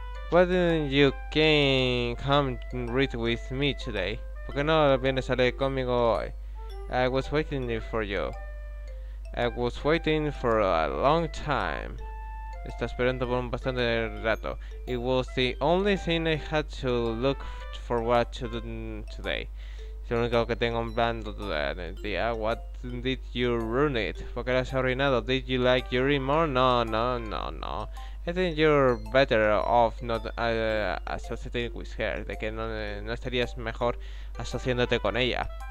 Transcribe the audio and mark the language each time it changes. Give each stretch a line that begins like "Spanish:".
English: Why didn't you came come read with me today?
Spanish: ¿Por qué no vienes a leer conmigo hoy?
English: I was waiting for you. I was waiting for a long time.
Spanish: Estaba esperando por un bastante rato.
English: It was the only thing I had to look forward to do today.
Spanish: Es lo único que tengo en plan de día.
English: What did you ruin it?
Spanish: ¿Por qué lo has arruinado?
English: Did you like Yuri more? No, no, no, no. I think you're better off not associating with her.
Spanish: De que no, no estarías mejor asociándote con ella.